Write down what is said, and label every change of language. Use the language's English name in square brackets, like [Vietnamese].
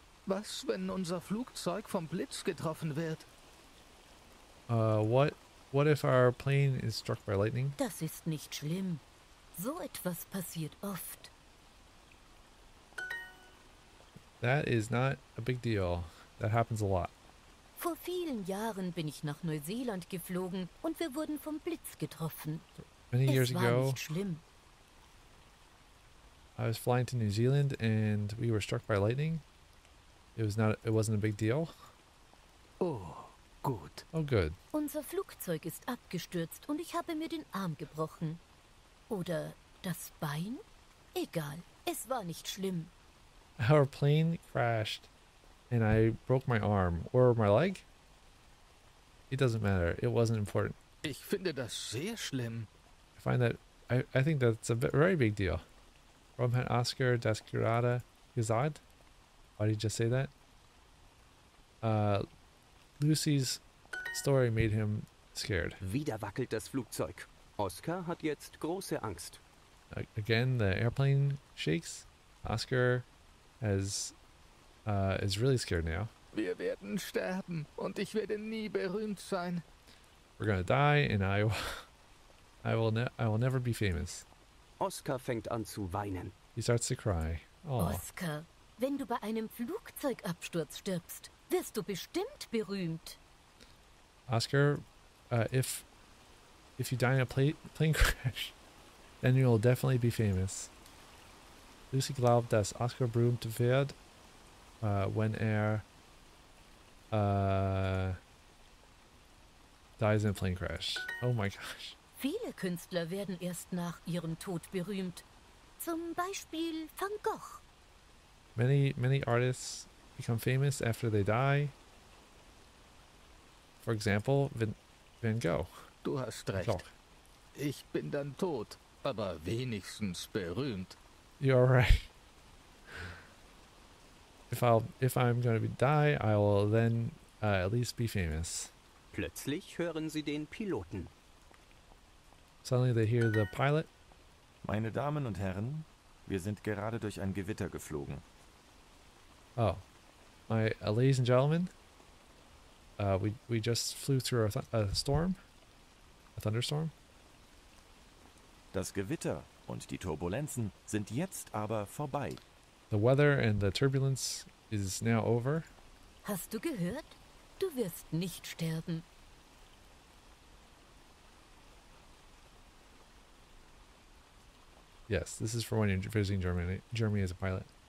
[German] Was, wenn unser Flugzeug vom Blitz getroffen wird? [English] What if our plane is struck by lightning? [German] Das ist nicht schlimm. So etwas passiert oft. [English] That is not a big deal. That happens a lot. [German] Vor vielen Jahren bin ich nach Neuseeland geflogen und wir wurden vom Blitz getroffen. [English] Many years [German] es war [English] ago, [German] nicht schlimm. [English] I was flying to New Zealand and we were struck by lightning. It wasn't a big deal. [German] Oh, gut. [English] Oh, good. [German] Unser Flugzeug ist abgestürzt und ich habe mir den Arm gebrochen. Oder das Bein? Egal, es war nicht schlimm. [English] Our plane crashed and I broke my arm or my leg. It doesn't matter. It wasn't important. [German] Ich finde das sehr schlimm. [English] I think that's a very big deal. From Herrn Oscar Descurada Gazad. Why did you just say that? Lucy's story made him scared. [German] Wieder wackelt das Flugzeug. Oscar hat jetzt große Angst. [English] Again, the airplane shakes. Oscar is really scared now. [German] Wir werden sterben und ich werde nie berühmt sein. [English] We're gonna die and I will never be famous. [German] Oscar fängt an zu weinen. [English] He starts to cry. Aww. [German] Oscar, wenn du bei einem Flugzeugabsturz stirbst, wirst du bestimmt berühmt. [English] Oscar, if you die in a plane crash, then you will definitely be famous. [German] Lucy glaubt, dass Oscar berühmt wird, wenn dies [English] in a plane crash. Oh my gosh. [German] Viele Künstler werden erst nach ihrem Tod berühmt. Zum Beispiel Van Gogh. [English] Many artists become famous after they die. For example, Van Gogh. [German] Du hast recht. Gogh. Ich bin dann tot, aber wenigstens berühmt. [English] You're right. If I'm going to die, I will then at least be famous. [German] Plötzlich hören sie den Piloten. [English] Suddenly they hear the pilot. [German] Meine Damen und Herren, wir sind gerade durch ein Gewitter geflogen. [English] Oh, ladies and gentlemen, we just flew through a thunderstorm. [German] Das Gewitter und die Turbulenzen sind jetzt aber vorbei. [English] The weather and the turbulence is now over. [German] Hast du gehört? Du wirst nicht sterben. [English] Yes, this is for when you're visiting Germany as a pilot.